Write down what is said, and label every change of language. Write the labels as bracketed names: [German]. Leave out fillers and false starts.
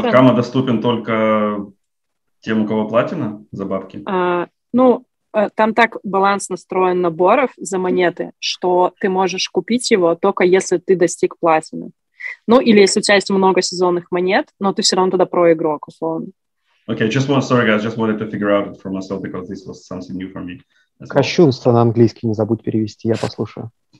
[Russian] Этот камо доступен только тем, у кого платина за бабки? Там так баланс настроен наборов за монеты, что ты можешь купить его только если ты достиг платины. Ну, или если у тебя есть много сезонных монет, но ты все равно тогда про игрок, условно. [English] Okay, just wanted to figure out it for myself because this was something new for me. [Russian] Кощунство well. На английский не забудь перевести, я послушаю.